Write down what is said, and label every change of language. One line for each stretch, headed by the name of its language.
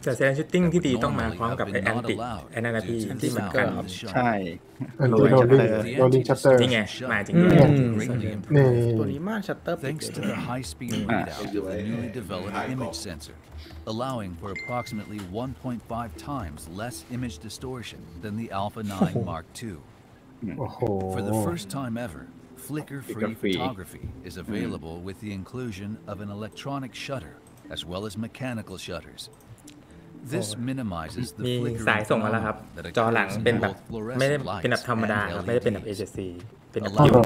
Thai: จะแสดงชูตติ้งที่ดีต้องมาพร้อมกับไอ้แอนติไอ้นาทีที่มา ใช่ไ อ้โรลลิ่งชัตเตอร์โรลลิ่งชัตเตอร์ นี่ไงมาจริงด้วย นี่ ตัวนี้มาชัตเตอร์ไปเลย
English: thanks to the newly developed image sensor allowing for approximately 1.5 times less image distortion than the Alpha 9 Mark II for the first time everFlicker-free photography is available with the inclusion of an electronic shutter as well as mechanical shutters. This minimizes the flicker.
Thai: สายส่งมาแล้วครับจอหลังเป็นแบบไม่ได้เป็นแบบธรรมดาครับไม่ได้เป็นแบบ HSC เป็นแบบ